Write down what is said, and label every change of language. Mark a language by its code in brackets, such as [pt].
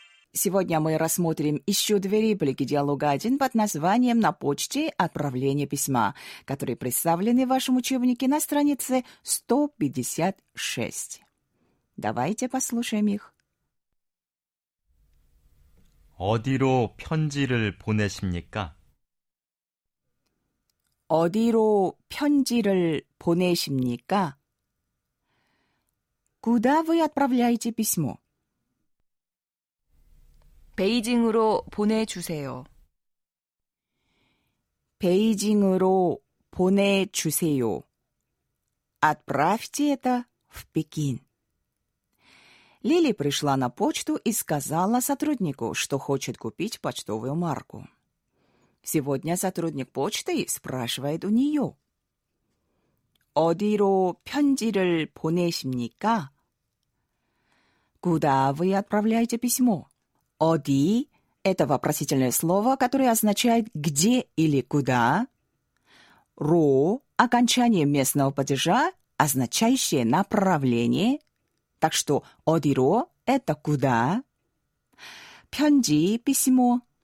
[ru] Сегодня мы рассмотрим еще две реплики диалога 1 под названием «На почте отправление письма», которые представлены в вашем учебнике на странице 156. Давайте послушаем их. [ko] 어디로 편지를 보내십니까? 어디로 편지를 보내십니까? [ru] Куда вы отправляете письмо? [ko] 베이징으로 보내주세요. 베이징으로 보내주세요. [ru] Отправьте это в Пекин. Лили пришла на почту и сказала сотруднику, что хочет купить почтовую марку. Сегодня сотрудник почты спрашивает у нее. [ko] 어디로 편지를 보내십니까? [ru] Куда вы отправляете письмо? 어디 – это вопросительное слово, которое означает «где» или «куда». «Ро» – окончание местного падежа, означающее «направление». Так что «одиро» – это «куда». «Пёнджи» – письмо.